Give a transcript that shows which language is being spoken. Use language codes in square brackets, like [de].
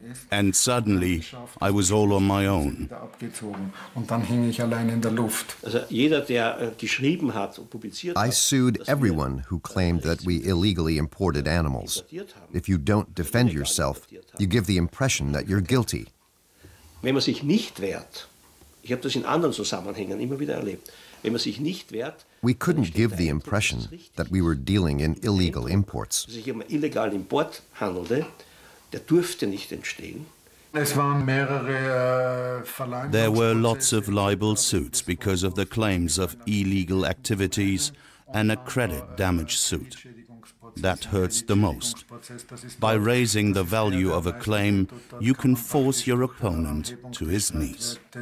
[en] And suddenly, I was all on my own. I sued everyone who claimed that we illegally imported animals. If you don't defend yourself, you give the impression that you're guilty. [de] Wenn man sich nicht wehrt, ich habe das in anderen Zusammenhängen immer wieder erlebt. Wenn man sich nicht wehrt, [en] we couldn't give the impression that we were dealing in illegal imports. [de] Wenn es sich um illegalen Import handelte, der durfte nicht entstehen. Es waren mehrere Verlangen. [en] There were lots of libel suits because of the claims of illegal activities and a credit damage suit. That hurts the most. By raising the value of a claim, you can force your opponent to his knees.